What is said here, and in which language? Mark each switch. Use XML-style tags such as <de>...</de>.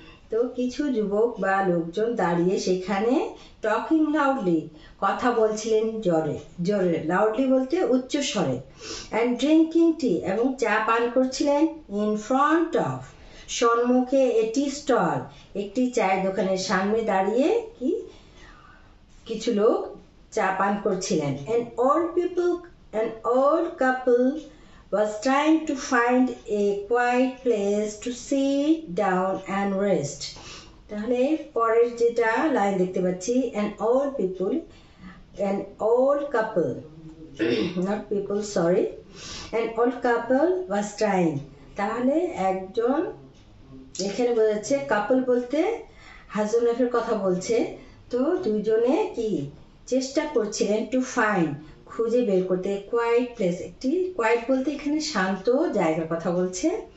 <bn>তো কিছু যুবক বা লোকজন দাঁড়িয়ে সেখানে</bn> <en>talking loudly</en> <bn>কথা বলছিলেন জোরে জোরে। লাউডলি বলতে উচ্চ স্বরে।</bn> <en>and drinking tea,</en> <bn>এবং চা পান করছিলেন।</bn> <en>in front of,</en> <bn>সম্মুখে,</bn> <en>a tea stall,</en> <bn>একটি চায়ের দোকানের সামনে দাঁড়িয়ে কি কিছু লোক চা পান করছিলেন।</bn> <en>And old people, an old couple was trying to find a quiet place to sit down and rest.</en> <bn>তাহলে পরের যেটা লাইন দেখতে পাচ্ছি,</bn> <en>an old people, an old couple, not people, sorry, an old couple was trying.</en> <bn>তাহলে একজন, এখানে বোঝাচ্ছে কাপল বলতে হাজবেন্ড ওয়াইফের কথা বলছে। তো দুজনে কি চেষ্টা করছিলেন</bn> <en>to find,</en> <bn>খুঁজে বের করতে, কোয়াইট প্লেস, একটি কোয়াইট বলতে এখানে শান্ত জায়গার কথা বলছে।</bn>